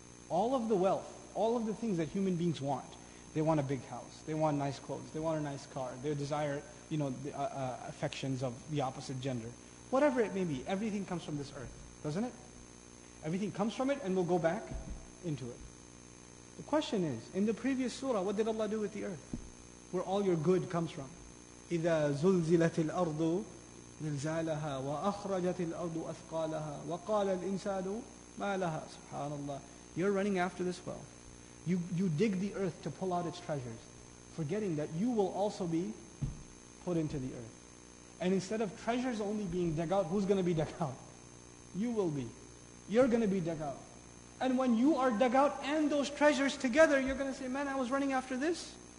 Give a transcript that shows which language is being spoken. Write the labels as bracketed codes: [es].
[en] All of the wealth, all of the things that human beings want. They want a big house, they want nice clothes, they want a nice car, they desire, you know, the affections of the opposite gender. Whatever it may be, everything comes from this earth, doesn't it? Everything comes from it and will go back into it. The question is, in the previous surah, what did Allah do with the earth? Where all your good comes from? [ar] إِذَا زُلْزِلَتِ الْأَرْضُ نزالها وأخرجت الأرض أثقالها وقال الإنسان ما لها سبحان الله. [en] You're running after this wealth. You dig the earth to pull out its treasures, forgetting that you will also be put into the earth. And instead of treasures only being dug out, who's going to be dug out? You will be. You're going to be dug out. And when you are dug out and those treasures together, you're going to say, "Man, I was running after this.